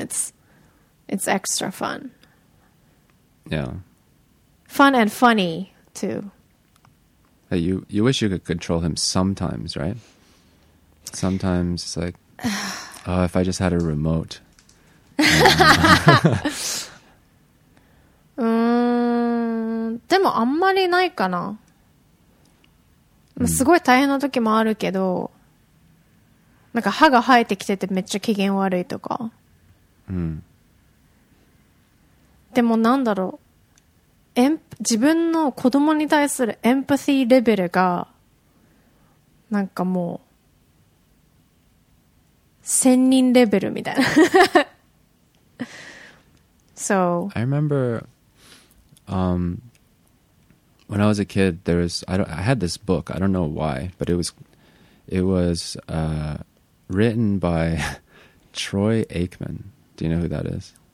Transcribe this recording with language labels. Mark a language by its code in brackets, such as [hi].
[en] It's extra fun. Yeah. Fun and funny, too. Hey, you wish you could control him sometimes, right? Sometimes it's like, oh, if I just had a remote. [ja] でもあんまりないかな。すごい大変な時もあるけど、なんか歯が生えてきててめっちゃ機嫌悪いとか。うん。でもなんだろう。自分の子供に対するエンパシーレベルが、なんかもう、千人レベルみたいな。 [en] So. I remember, when I was a kid, I had this book. I don't know why, but it was written by Troy Aikman. Do you know who that is?